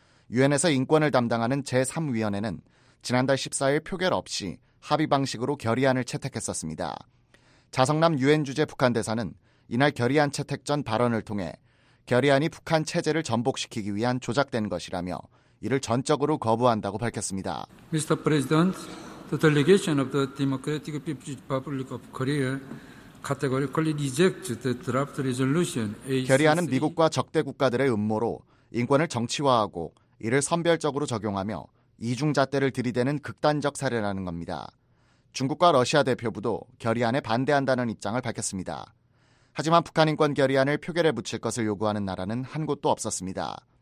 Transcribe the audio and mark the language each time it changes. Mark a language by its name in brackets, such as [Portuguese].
[Korean] 유엔에서 인권을 담당하는 제3위원회는 지난달 14일 표결 없이 합의 방식으로 결의안을 채택했었습니다. 자성남 유엔 주재 북한 대사는 이날 결의안 채택 전 발언을 통해 결의안이 북한 체제를 전복시키기 위한 조작된 것이라며 이를 전적으로 거부한다고 밝혔습니다. [English] Mr. President, the delegation of the Democratic People's Republic of Korea categorically rejects the draft resolution. [Korean] 결의안은 미국과 적대 국가들의 음모로 인권을 정치화하고 이를 선별적으로 적용하며 이중잣대를 들이대는 극단적 사례라는 겁니다. 중국과 러시아 대표부도 결의안에 반대한다는 입장을 밝혔습니다. 하지만 북한 인권 결의안을 표결에 붙일 것을 요구하는 나라는 한 곳도 없었습니다.